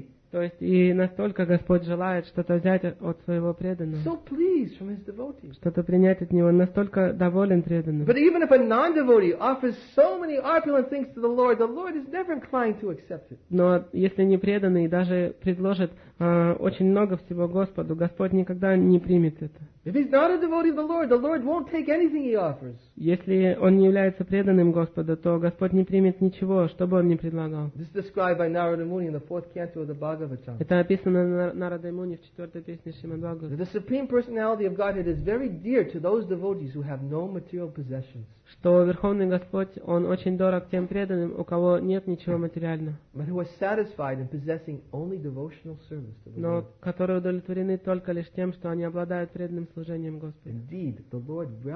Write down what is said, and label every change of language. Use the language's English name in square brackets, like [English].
[Russian] То есть и настолько Господь желает что-то взять от своего преданного. [English] So pleased from his devotee. [Russian] Что-то принять от него, настолько доволен преданным. [English] But even if a non-devotee offers so many opulent things to the Lord is never inclined to accept it. [Russian] Но если непреданный даже предложит очень много всего Господу, Господь никогда не примет это. [English] If he's not a devotee of the Lord won't take anything he offers. [Russian] Если он не является преданным Господу, то Господь не примет ничего, что бы он ни предлагал. [English] This is described by Narada Muni in the fourth canto of the Bhagavatam. [Russian] Это описано Нарадой Муни в четвертой песне Шримад-Бхагаватам. [English] The supreme personality of Godhead is very dear to those devotees who have no material possessions. [Russian] Что Верховный Господь, Он очень дорог тем преданным, у кого нет ничего материального. Но которые удовлетворены только лишь тем, что они обладают преданным служением Господу.